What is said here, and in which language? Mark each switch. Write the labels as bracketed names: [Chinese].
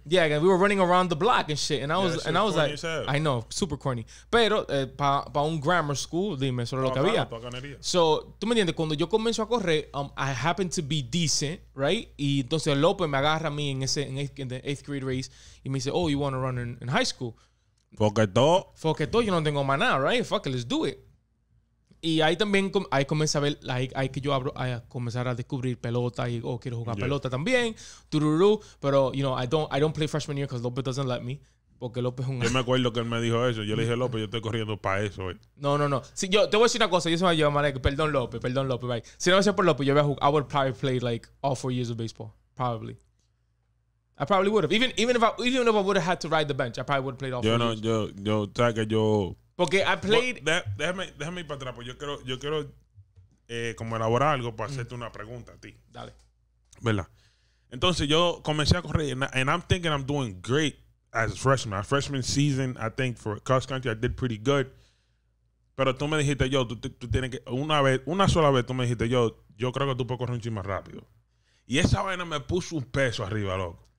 [English] Yeah, we were running around the block and shit. And I was like, I know, super corny. [Spanish] Pero pa un grammar school, dime, solo lo que había. So, tú me entiendes, cuando yo comienzo a correr, [English] I happened to be decent, right? [Spanish] Y entonces López me agarra a mí en [English] the 8th grade race [Spanish] y me dice, [English] oh, you want to run in high school. Foqueto, [Spanish] yo no tengo más nada, [English] right? Fuck it, let's do it. [Spanish] Y ahí también ahí comencé a ver, ahí que yo abro a comenzar a descubrir pelota y oh, quiero jugar pelota también. [English] Tururú, pero you know, I don't play freshman year because López doesn't let me. [Spanish] Porque López yo me acuerdo que él me dijo eso. Yo le dije, López, yo estoy corriendo para eso. No. Si yo te voy a decir una cosa, yo se me va a llevar, perdón López, right. Si no fuese por López, yo voy a jugar, [English] I would probably play like all 4 years of baseball. Probably. I probably would have. Even if I would have had to ride the bench, I probably would have played all 4 years. [Spanish] Yo [English] porque I played. [Spanish] Well, déjame ir para atrás, porque yo quiero como elaborar algo para hacerte una pregunta a ti. Dale. ¿Verdad? Entonces yo comencé a correr, [English] and I'm thinking I'm doing great as a freshman. My freshman season, I think, for cross country, I did pretty good. [Spanish] Pero tú me dijiste, yo, tú tienes que, una sola vez tú me dijiste, yo creo que tú puedes correr un chingo más rápido. Y esa vaina me puso un peso arriba, loco.